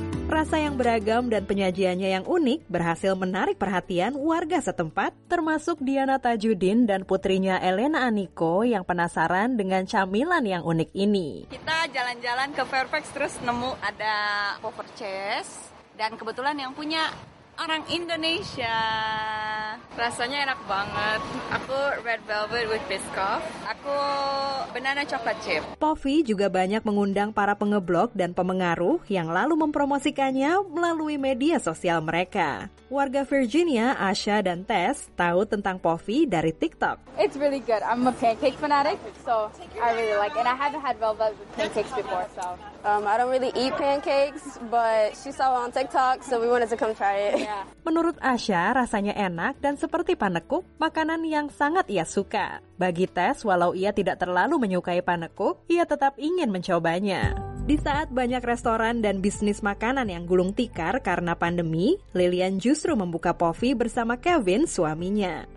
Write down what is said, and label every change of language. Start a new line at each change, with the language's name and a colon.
Indonesian: Rasa yang beragam dan penyajiannya yang unik berhasil menarik perhatian warga setempat, termasuk Diana Tajudin dan putrinya Elena Aniko yang penasaran dengan camilan yang unik ini. Kita jalan-jalan ke Fairfax terus nemu ada Poffertjes, dan kebetulan yang punya orang Indonesia. Rasanya enak banget. Aku red velvet with biscoff. Aku banana chocolate chip. Poffy juga banyak mengundang para pengeblog dan pemengaruh yang lalu mempromosikannya melalui media sosial mereka. Warga Virginia, Asha dan Tess tahu tentang Poffy dari TikTok.
English: It's really good. I'm a pancake fanatic, so I really like it. And I haven't had velvet with pancakes before, so... I don't really eat pancakes, but she saw on TikTok, so we wanted to come try it. Yeah.
Indonesian: Menurut Asha, rasanya enak dan seperti panekuk, makanan yang sangat ia suka. Bagi Tess, walau ia tidak terlalu menyukai panekuk, ia tetap ingin mencobanya. Di saat banyak restoran dan bisnis makanan yang gulung tikar karena pandemi, Lillian justru membuka Poffy bersama Kevin, suaminya.